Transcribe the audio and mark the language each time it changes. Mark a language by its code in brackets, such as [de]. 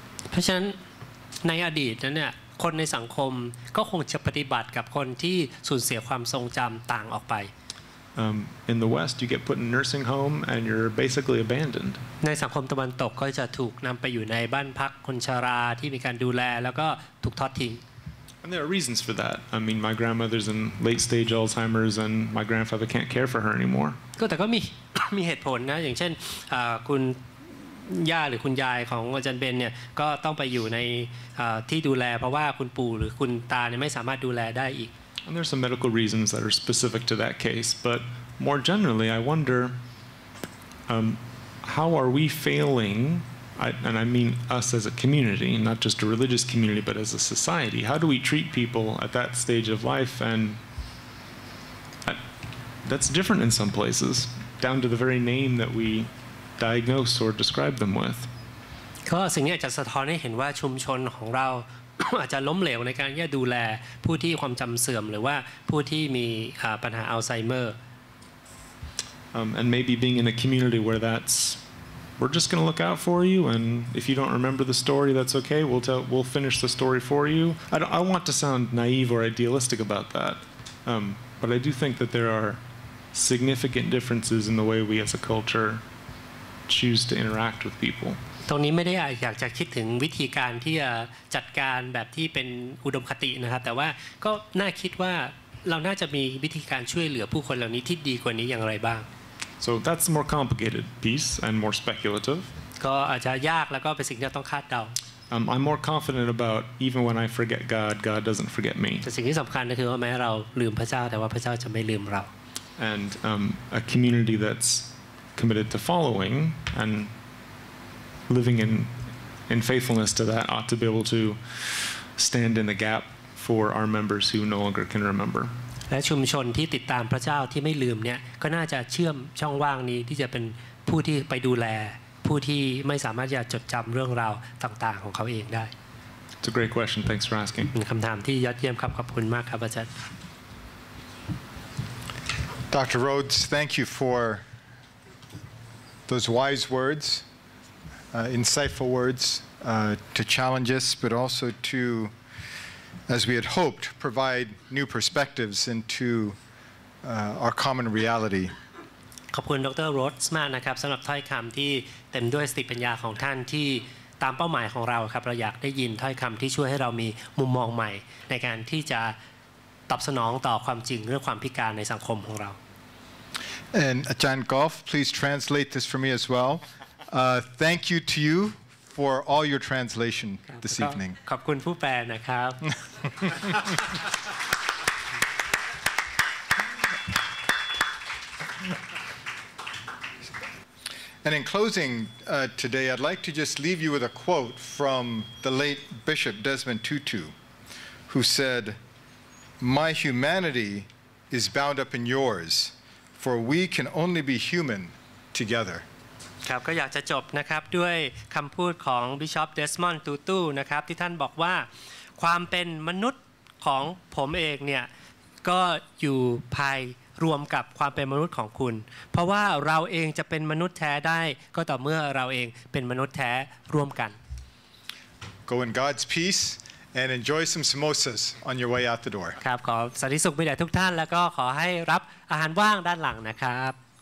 [th] เพราะฉะนั้นในอดีตนั้นเนี่ยคนในสังคมก็คงจะปฏิบัติกับคนที่สูญเสียความทรงจำต่างออกไป [en] In the West you get put in nursing home and you're basically abandoned [th] ในสังคมตะวันตกก็จะถูกนำไปอยู่ในบ้านพักคนชราที่มีการดูแลแล้วก็ถูกทอดทิ้ง [en] And there are reasons for that I mean my grandmother's in late stage Alzheimer's and my grandfather can't care for her anymore [th] ก็แต่ก็มีเหตุผลนะอย่างเช่นคุณย่าหรือคุณยายของอาจารย์เบนเนี่ยก็ต้องไปอยู่ในที่ดูแลเพราะว่าคุณปู่หรือคุณตาเนี่ยไม่สามารถดูแลได้อีก [en] And there's some medical reasons that are specific to that case but more generally I wonder how are we failing and I mean us as a community not just a religious community but as a society how do we treat people at that stage of life and that's different in some places down to the very name that weDiagnose or describe them with. [th] ก็สิ่งนี้จะสะท้อนให้เห็นว่าชุมชนของเราอาจจะล้มเหลวในการที่จะดูแลผู้ที่ความจำเสื่อมหรือว่าผู้ที่มีปัญหาอัลไซเมอร์ [en] And maybe being in a community where that's we're just going to look out for you and if you don't remember the story that's okay we'll finish the story for you. I want to sound naive or idealistic about that, but I do think that there are significant differences in the way we as a culture. Choose to interact with people. [th] ตรงนี้ไม่ได้อยากจะคิดถึงวิธีการที่จะจัดการแบบที่เป็นอุดมคตินะครับแต่ว่าก็น่าคิดว่าเราน่าจะมีวิธีการช่วยเหลือผู้คนเหล่านี้ที่ดีกว่านี้อย่างไรบ้าง [en] So that's the more complicated piece and more speculative. [th] ก็อาจจะยากแล้วก็เป็นสิ่งที่ต้องคาดเดา [en] I'm more confident about even when I forget God, God doesn't forget me. [th] แต่สิ่งที่สำคัญก็คือว่าแม้เราลืมพระเจ้าแต่ว่าพระเจ้าจะไม่ลืมเรา [en] And a community that'scommitted to following and living in faithfulness to that ought to be able to stand in the gap for our members who no longer can remember. [th] และชุมชนที่ติดตามพระเจ้าที่ไม่ลืมเนี่ยก็น่าจะเชื่อมช่องว่างนี้ที่จะเป็นผู้ที่ไปดูแลผู้ที่ไม่สามารถจะจดจำเรื่องราวต่างๆของเขาเองได้ [en] It's a great question. Thanks for asking. [th] เป็นคำถามที่ยอดเยี่ยมครับขอบคุณมากครับอาจารย์ [en] Dr. Rhodes, thank you forThose wise words, insightful words to challenge us, but also to, as we had hoped, provide new perspectives into our common reality. [th] ขอบคุณดร. Rhodes มากนะครับสำหรับถ้อยคำที่เต็มด้วยสติปัญญาของท่านที่ตามเป้าหมายของเราครับเราอยากได้ยินถ้อยคำที่ช่วยให้เรามีมุมมองใหม่ในการที่จะตอบสนองต่อความจริงเรื่องความพิการในสังคมของเรา [en] And Ajahn Golf, please translate this for me as well. Thank you to you for all your translation this evening. [th] ขอบคุณผู้แปลนะครับ [en] And in closing today, I'd like to just leave you with a quote from the late Bishop Desmond Tutu, who said, "My humanity is bound up in yours." For we can only be human together. [th] ครับก็อยากจะจบนะครับด้วยคำพูดของบิชอปเดสมอนด์ตูตูนะครับที่ท่านบอกว่าความเป็นมนุษย์ของผมเองเนี่ยก็อยู่ภายรวมกับความเป็นมนุษย์ของคุณเพราะว่าเราเองจะเป็นมนุษย์แท้ได้ก็ต่อเมื่อเราเองเป็นมนุษย์แท้ร่วมกัน [en] Go in God's peace And enjoy some samosas on your way out the door. [th] ครับขอสันติสุขมีแด่ทุกท่านแล้วก็ขอให้รับอาหารว่างด้านหลังนะครับ